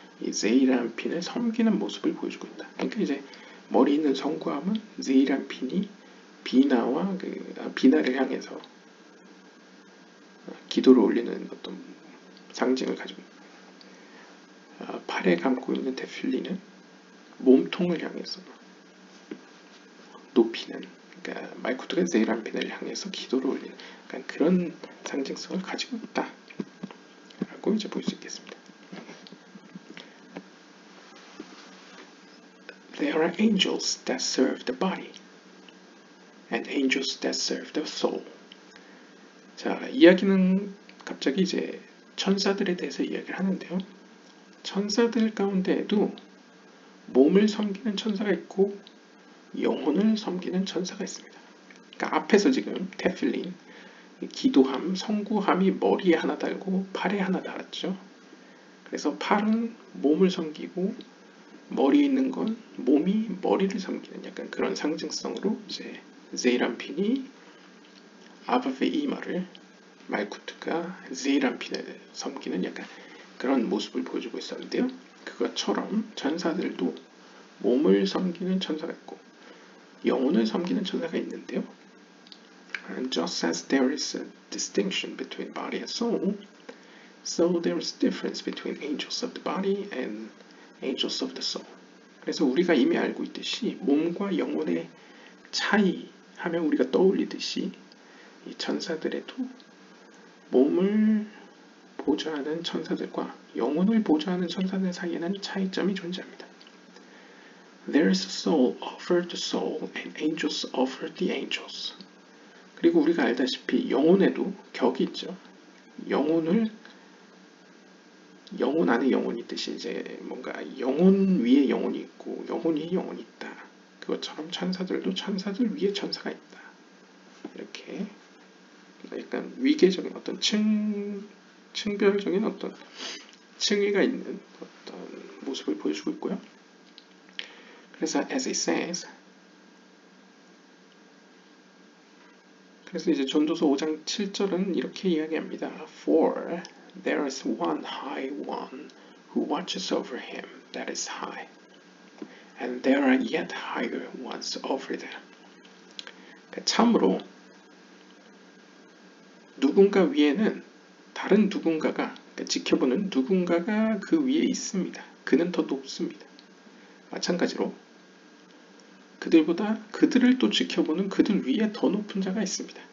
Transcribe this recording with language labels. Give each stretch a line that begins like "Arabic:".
Korean: 제이란 핀을 섬기는 모습을 보여주고 있다. 그러니까 이제 머리 있는 성구함은 제이란 핀이 비나와 비나를 향해서 기도를 올리는 어떤 상징을 가지고 팔에 감고 있는 데필리는 몸통을 향해서 높이는, 그러니까 말코트가 제이란 핀을 향해서 기도를 올리는 그런 상징성을 가지고 있다라고 이제 볼 수 있겠습니다.
English: There are angels that serve the body and angels that serve the soul.
Korean: 자, 이야기는 갑자기 이제 천사들에 대해서 이야기를 하는데요. 천사들 가운데에도 몸을 섬기는 천사가 있고 영혼을 섬기는 천사가 있습니다. 그러니까 앞에서 지금 테필린, 기도함, 성구함이 머리에 하나 달고 팔에 하나 달았죠. 그래서 팔은 몸을 섬기고 머리에 있는 건 몸이 머리를 섬기는 약간 그런 상징성으로 이제 제이람핀이 아바베 이마를, 말쿠트가 제이람핀을 섬기는 약간 그런 모습을 보여주고 있었는데요. 그것처럼 천사들도 몸을 섬기는 천사가 있고 영혼을 섬기는 천사가 있는데요.
English: And just as there is a distinction between body and soul, so there is a difference between angels of the body and angels of the soul.
Korean: 그래서 우리가 이미 알고 있듯이 몸과 영혼의 차이 하면 우리가 떠올리듯이 이 천사들에도 몸을 보좌하는 천사들과 영혼을 보좌하는 천사들 사이에는 차이점이 존재합니다.
English: There's a soul offered the soul and angels offered the angels.
Korean: 그리고 우리가 알다시피 영혼에도 격이 있죠. 영혼을 영혼 안에 영혼이 있듯이 이제 뭔가 영혼 위에 영혼이 있고 영혼 위에 영혼이 있다. 그것처럼 천사들도 천사들 위에 천사가 있다. 이렇게 약간 위계적인 어떤 층별적인 어떤 층위가 있는 어떤 모습을 보여주고 있고요. 그래서
English: as it says,
Korean: 그래서 이제 전도서 5장 7절은 이렇게 이야기합니다.
English: For there is one high one who watches over him that is high, and there are yet higher ones over them.
Korean: 그러니까 참으로 누군가 위에는 다른 누군가가, 그러니까 지켜보는 누군가가 그 위에 있습니다. 그는 더 높습니다. 마찬가지로 그들보다 그들을 또 지켜보는 그들 위에 더 높은 자가 있습니다.